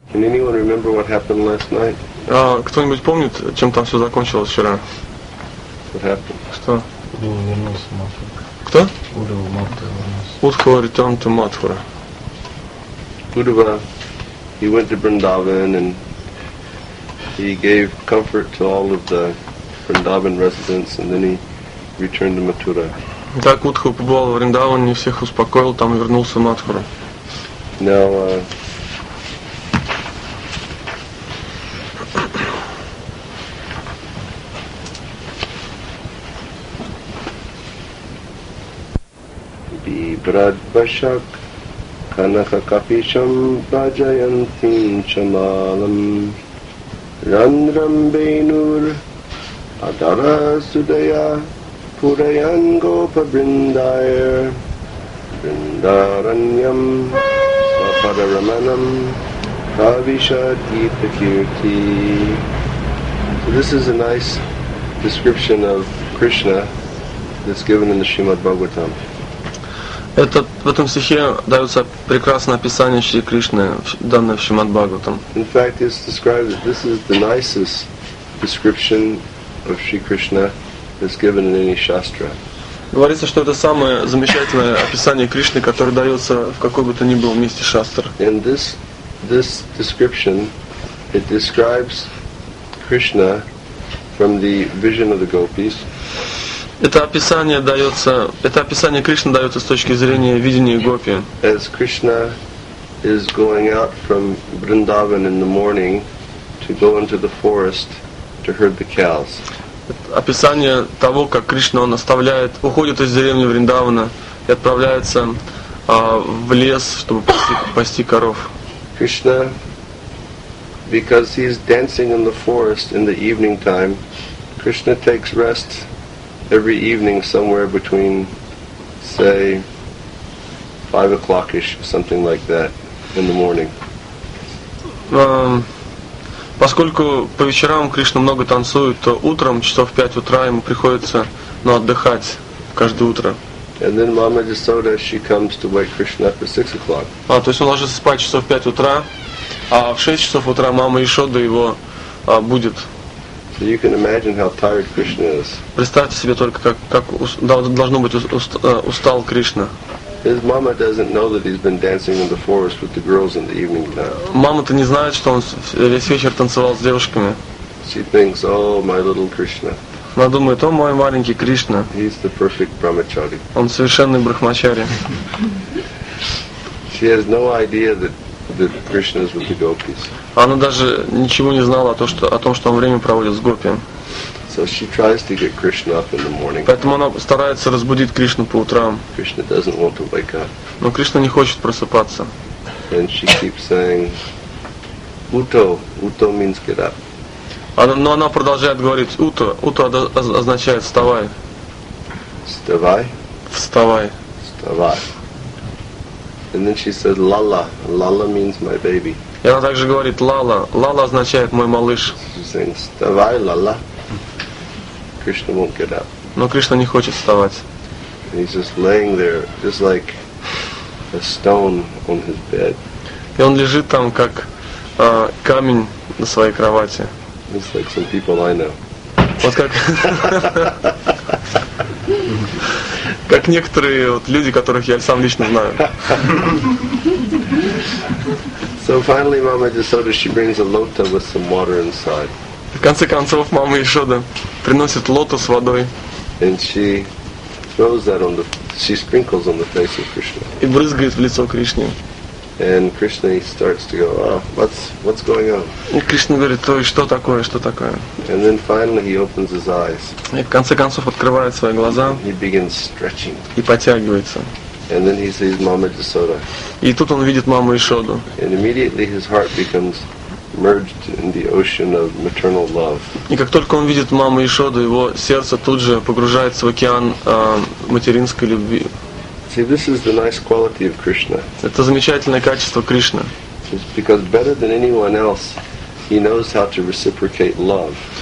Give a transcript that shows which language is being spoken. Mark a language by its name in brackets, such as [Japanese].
[English] Can anyone remember what happened last night? [Russian] А кто-нибудь помнит, чем там все закончилось вчера? [English] What happened? [Russian] Что? Ура вернулся в Матхуру. Кто? Ура в Матхуру вернулся. [English] Удхва return to Матхура. Удхва, he went to Vrindavan and he gave comfort to all of the Vrindavan residents and then he returned to Mathura. [Russian] Так Удхва побывал в Вриндаване, всех успокоил, там вернулся в Матхуру. Now, Bradbashak Kanaka Kapisham Bajayantin Chamalam Randram Benur Adara Sudaya Purayango Pabrindayer Brindaranyam Sapadaramanam Kavisha Deepa Kirti. [English] So this is a nice description of Krishna that's given in the Srimad Bhagavatam. [Russian] Это, в этом стихе дается прекрасное описание Шри Кришны, данное в Шримад Бхагаватам. [English] In fact, it's described that this is the nicest description of Shri Krishna that's given in any shastra. [Russian] Говорится, что это самое замечательное описание Кришны, которое дается в какой бы то ни было месте шастр. [English] And this description, it describes Krishna from the vision of the gopis. [Russian] Это описание Кришны дается с точки зрения видения гопи. [English] As Krishna is going out from Vrindavan in the morning to go into the forest to herd the cows. [Russian] Описание того, как Кришна он оставляет, уходит из деревни Вриндавана и отправляется в лес, чтобы пасти коров. [English] Krishna, because he is dancing in the forest in the evening time, Krishna takes rest every evening somewhere between, say, 5 o'clock-ish, something like that, in the morning. [Russian] Поскольку по вечерам Кришна много танцует, то утром, часов в 5 утра, ему приходится, ну, отдыхать каждое утро. [English] And then Mama Jasoda, she comes to wake Krishna up at 6 o'clock. [Russian] А, то есть он ложится спать часов в 5 утра, а в 6 часов утра Мама Ишода его будет. [English] So you can imagine how tired Krishna is. [Russian] Представьте себе только, как должно быть устал Кришна. [English] His mama doesn't know that he's been dancing in the forest with the girls in the evening time. [Russian] Мама-то не знает, что он весь вечер танцевал с девушками. [English] She thinks, oh, my little Krishna. [Russian] Она думает, о, мой маленький Кришна. [English] He's the perfect brahmachari. [Russian] Он совершенный брахмачари. [English] She has no idea that Krishna is with the gopis. [Russian] Она даже ничего не знала о том, что он время проводит с гопи. [English] So she tries to get Krishna up in the morning. [Russian] Поэтому она старается разбудить Кришну по утрам. [English] Krishna doesn't want to wake up. [Russian] Но Кришна не хочет просыпаться. [English] And she keeps saying, "Uto, uto means get up." [Russian] Но она продолжает говорить, "Uto, uto означает вставай." Вставай. Вставай. Вставай. [English] And then she says, "Lala, lala means my baby." [Russian] И она также говорит, "Lala, lala означает мой малыш." [English] She's saying, [Russian] "Вставай, [English] lala." Krishna won't get up. [Russian] Но Кришна не хочет вставать. [English] And he's just laying there, just like a stone on his bed. [Russian] И он лежит там как камень на своей кровати. [English] Just like some people I know. [Russian] Вот как. Как некоторые вот люди, которых я сам лично знаю. [English] So finally, Mama Jasoda, she brings a lota with some water inside. [Russian] В конце концов, Мама Ишода приносит лоту с водой. [English] And she throws that on the, she sprinkles on the face of Krishna. [Russian] И брызгает в лицо Кришне. [English] And Krishna starts to go, oh, what's going on? [Russian] И Кришна говорит, ой, что такое, что такое? [English] And then finally he opens his eyes. [Russian] И в конце концов открывает свои глаза. [English] He begins stretching. [Russian] И потягивается. [English] And then he sees Mama Jasoda. [Russian] И тут он видит Маму Ишоду. [English] And immediately his heart becomes merged in the ocean of maternal love. [Russian] И как только он видит Маму Ишоду, его сердце тут же погружается в океан материнской любви. [English] See, this is the nice quality of Krishna. [Russian] Это замечательное качество Кришны. [English] Because better than anyone else, he knows how to reciprocate love.